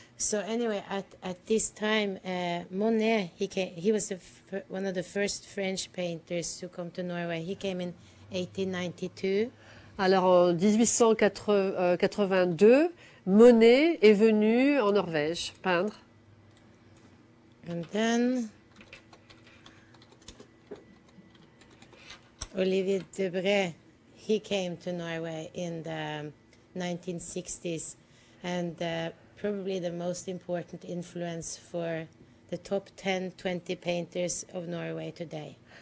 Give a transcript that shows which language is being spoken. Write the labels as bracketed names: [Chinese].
[English] So anyway, at this time, Monet, he was one of the first French painters to come to Norway. He came in 1892. [French] Alors, en 1882, Monet est venu en Norvège peindre. [English] And then Olivier Debray, he came to Norway in the 1960s, and probably the most important influence for the top 10, 20 painters of Norway today.